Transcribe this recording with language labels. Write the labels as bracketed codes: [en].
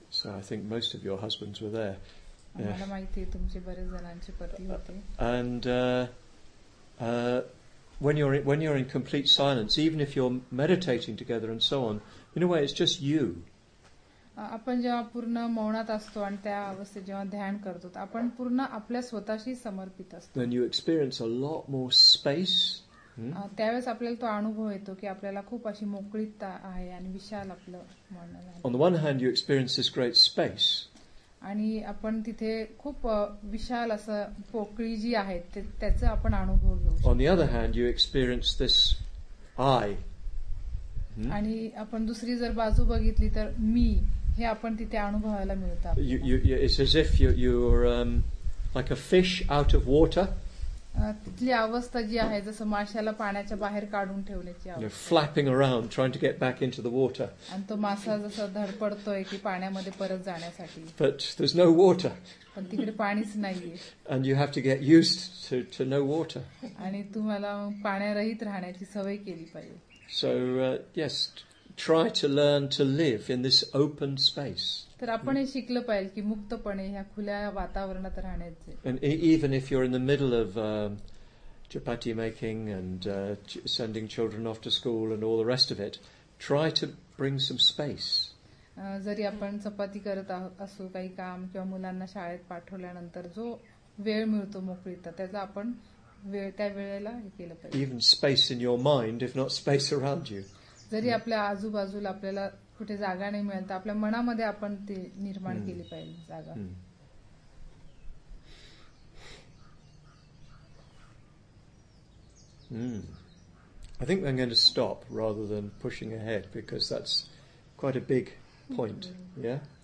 [en] So I think most of your husbands were there. [mr] Mala maiti tumche bare janache pati hote. [en] And when you're in complete silence, even if you're meditating together and so on, in a way it's just you. [mr] आपण जेव्हा पूर्ण मौनात असतो आणि त्या अवस्थेत जेव्हा ध्यान करतो आपण पूर्ण आपल्या स्वतःशी समर्पित असतो. [en] Then you experience a lot more space. [mr] त्यावेळेस आपल्याला तो अनुभव येतो की आपल्याला खूप अशी मोकळीकता आहे आणि विशाल आपलं म्हणणं. [en] on the one hand you experience this great space, [mr] आणि आपण तिथे खूप विशाल असं पोकळी जी आहे त्याचा आपण अनुभव घेऊ. [en] on the other hand you experience this I, [mr] आणि आपण दुसरी जर बाजू बघितली तर मी हे आपण तिथे अनुभवायला मिळतं. [en] it's as if you're like a fish out of water, [mr] तिथली अवस्था जी आहे जसं माशाला पाण्याच्या बाहेर काढून ठेवण्याची अवस्था. [en] flapping around trying to get back into the water, [mr] आणि तो मासा जसं धडपडतोय की पाण्यामध्ये परत जाण्यासाठी. [en] but there is no water, [mr] पण तिकडे पाणीच नाहीये. [en] and you have to get used to no water, [mr] आणि तुम्हाला पाण्यारहित राहण्याची सवय केली पाहिजे. [en] So yes, try to learn to live in this open space. [mr] तर आपण हे शिकलं पाहिजे की मुक्तपणे ह्या खुल्या वातावरणात राहण्याचे. [en] Even if you are in the middle of chapati making and sending children off to school and all the rest of it, try to bring some space. [mr] जरी आपण चपाती करत असू काही काम किंवा मुलांना शाळेत पाठवल्यानंतर जो वेळ मिळतो मोकळीचा त्याचा आपण वेळ त्या वेळेला हे केलं पाहिजे. [en] even space in your mind if not space around you, [mr] जरी आपल्या आजूबाजूला आपल्याला कुठे जागा नाही मिळत आपल्या मनामध्ये आपण ते निर्माण केली पाहिजे जागा. [en] I think I am going to stop rather than pushing ahead because that's quite a big point. या,